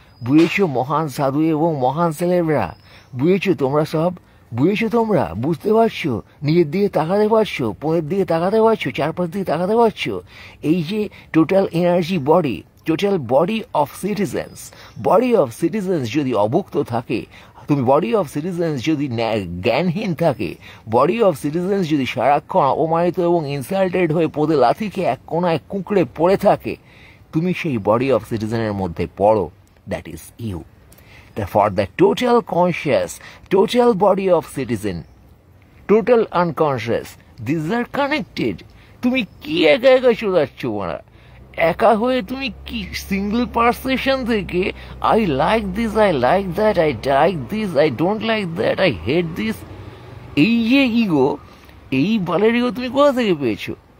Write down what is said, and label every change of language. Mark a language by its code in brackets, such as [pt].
[bn] বুঝেছো মহান সাধু এবং মহান ছেলেরা, বুঝেছো তোমরা সব, বুঝেছো তোমরা, বুঝতে পারছো, নিজের দিকে তাকাতে পারছো, পরের দিকে তাকাতে পারছো, চারপাশ দিকে তাকাতে পারছো, এই যে [en] total energy body, total body of citizens, [bn] body of citizens যদি অভুক্ত থাকে, তুমি বডি অফ সিটিজেন্স যদি জ্ঞানহীন থাকে, বডি অফ সিটিজেন্স যদি সারাক্ষণ অপমানিত এবং ইনসাল্টেড হয়ে পদে লাথিকে এক কোনায় কুঁকড়ে পড়ে থাকে, তুমি সেই বডি অফ সিটিজেনের মধ্যে পড়ো, [en] That is you. For the total conscious, total body of citizen, total unconscious, these are connected. [bn] তুমি কি একা একা চলে যাচ্ছ, মারা একা হয়ে তুমি কি সিঙ্গল পারসেপশন থেকে [en] I like this, I like that, I like this, I don't like that, I hate this, [bn] এই যে ইগো, এই বলের ইগো তুমি কোথা থেকে পেয়েছো?